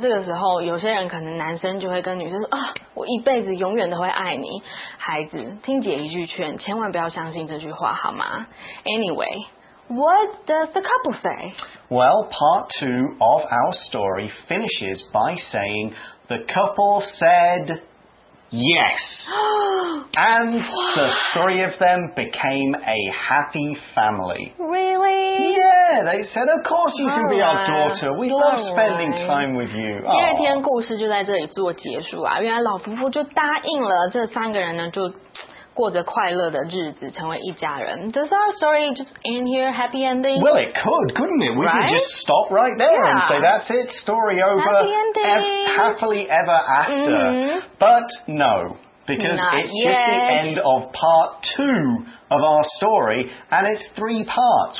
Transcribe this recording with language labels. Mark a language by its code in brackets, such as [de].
[zh] 这个时候，有些人可能男生就会跟女生说，我一辈子永远都会爱你。孩子，听姐一句劝，千万不要相信这句话，好吗？ [en] Anyway... What does the couple say? Well, part two of our story finishes by saying the couple said yes. And the three of them became a happy family. Really? Yeah, they said, of course you can be our daughter. We love spending time with you. [zh] 第二天故事就在这里做结束啊。原来老夫妇就答应了这三个人呢就过着快乐的日子，成为一家人。 [en] Does our story just end here, happy ending? Well, it could, couldn't it? We right? could just stop right there、 yeah. and say that's it, story over. Happy ending. Happily ever after.、 Mm-hmm. But no, because、 Not、 it's、 yet. Just the end of part two of our story, and it's three parts.